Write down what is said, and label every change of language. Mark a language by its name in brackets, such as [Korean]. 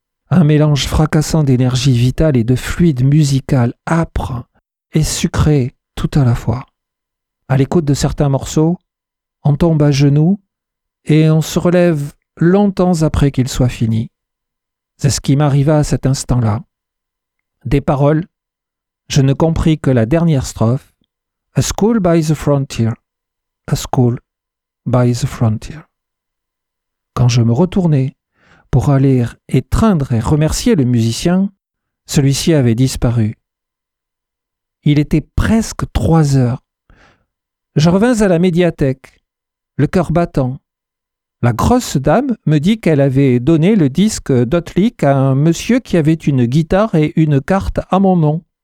[French] Un mélange fracassant d'énergie vitale et de fluide musical âpre et sucré tout à la fois. À l'écoute de certains morceaux, on tombe à genoux et on se relève longtemps après qu'il soit fini. C'est ce qui m'arriva à cet instant-là. Des paroles, je ne compris que la dernière strophe. [English] A school by the frontier. A school by the frontier. [French] Quand je me retournai pour aller étreindre et remercier le musicien, celui-ci avait disparu. Il était presque 3 heures. Je revins à la médiathèque. Le cœur battant. La grosse dame me dit qu'elle avait donné le disque d'Otlik à un monsieur qui avait une guitare et une carte à mon nom.